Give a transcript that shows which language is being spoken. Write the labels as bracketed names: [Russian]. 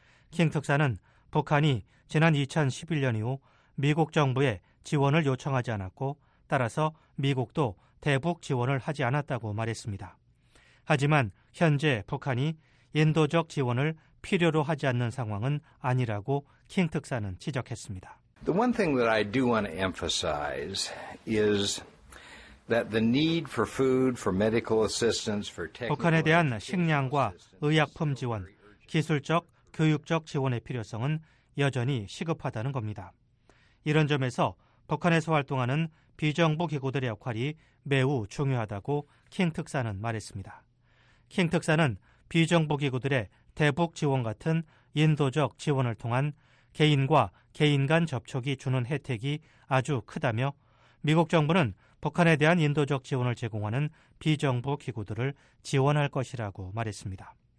[Korean] 킹 특사는 북한이 지난 2011년 이후 미국 정부에 지원을 요청하지 않았고 따라서 미국도 대북 지원을 하지 않았다고 말했습니다. 하지만 현재 북한이 인도적 지원을 필요로 하지 않는 상황은 아니라고 킹 특사는 지적했습니다. [English] The one thing that I do want to emphasize is that the need for food, for medical assistance, for technical [Korean] 북한에 대한 식량과 의약품 지원, 기술적, 교육적 지원의 필요성은 여전히 시급하다는 겁니다. 이런 점에서 북한에서 활동하는 비정부 기구들의 역할이 매우 중요하다고 킹 특사는 말했습니다. 킹 특사는 비정부 기구들의 대북 지원 같은 인도적 지원을 통한 개인과 개인 간 접촉이 주는 혜택이 아주 크다며 미국 정부는 북한에 대한 인도적 지원을 제공하는 비정부 기구들을 지원할 것이라고 말했습니다.